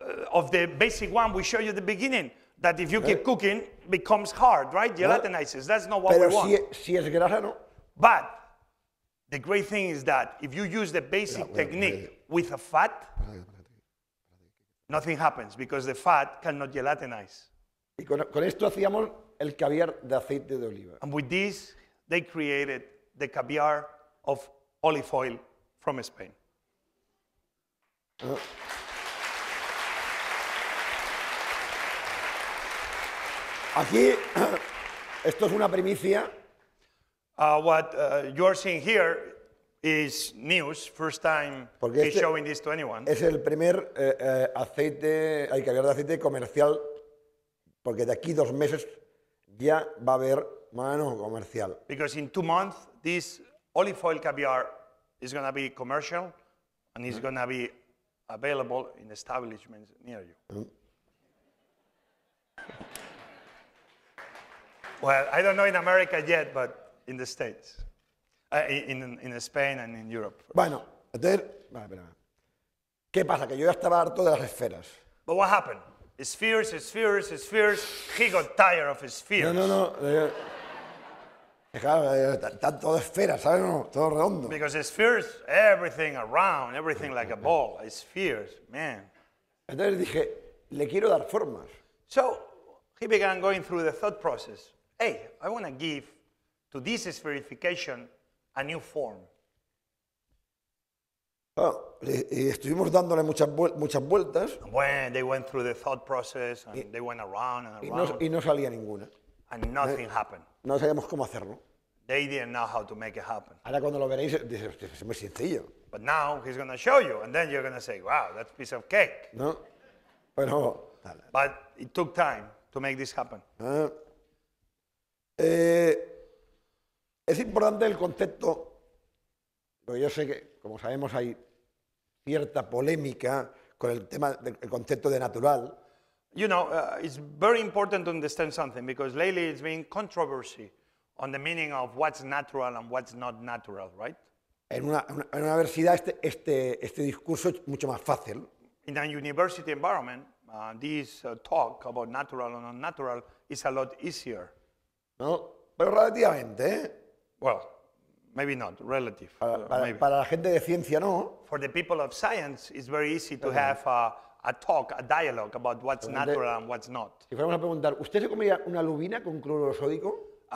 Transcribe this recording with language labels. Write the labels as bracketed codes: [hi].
[en] Of the basic one we showed you at the beginning, that if you keep cooking, becomes hard, right? Gelatinizes. That's not what [es] Pero [en] we want. [es] Si, si es grasa, ¿no? [en] But the great thing is that if you use the basic technique with a fat, nothing happens because the fat cannot gelatinize. [es] Y con esto hacíamos el caviar de aceite de oliva. [en] And with this, they created the caviar of olive oil from Spain. [es] Aquí, esto es una primicia. [en] What you are seeing here is news, first time he's showing this to anyone. [es] Es el primer aceite, hay que hablar de aceite comercial, porque de aquí 2 meses ya va a haber mano comercial. [en] Because in 2 months, this olive oil caviar is going to be commercial, and it's going to be available in establishments near you. Well, I don't know in America yet, but in the States, in Spain and in Europe. [es] Bueno, ¿qué pasa? Que yo ya estaba harto de las esferas. [en] But what happened? Spheres. He got tired of spheres. [es] No. Todo esfera, ¿sabes? Todo redondo. [en] Because spheres, everything around, everything like a ball, spheres, man. [es] Entonces dije, le quiero dar formas. [en] So he began going through the thought process. Hey, I want to give to this spherification a new form. [es] Y estuvimos dándole muchas vueltas. [en] Bueno, they went through the thought process and they went around and around. [es] Y no salía ninguna. [en] And nothing happened. [es] No sabíamos cómo hacerlo. [en] They didn't know how to make it happen. [es] Ahora cuando lo veréis, dice, es muy sencillo. [en] But now he's going to show you, and then you're going to say, wow, that's a piece of cake. [es] No. Bueno, dale. [en] But it took time to make this happen. [es] Es importante el concepto, porque yo sé que, como sabemos, hay cierta polémica con el tema del concepto de natural. [en] You know, it's very important to understand something, because lately it's been controversy on the meaning of what's natural and what's not natural, right? [es] En una universidad este discurso es mucho más fácil. [en] In a university environment, this talk about natural or non-natural is a lot easier. [es] No, pero relativamente, ¿eh? [en] Well, maybe not, relative. [es] Para la gente de ciencia, no. [en] For the people of science, it's very easy to have a talk, a dialogue about what's natural and what's not. [es] Si fuéramos a preguntar, ¿usted se comería una lubina con cloruro sódico?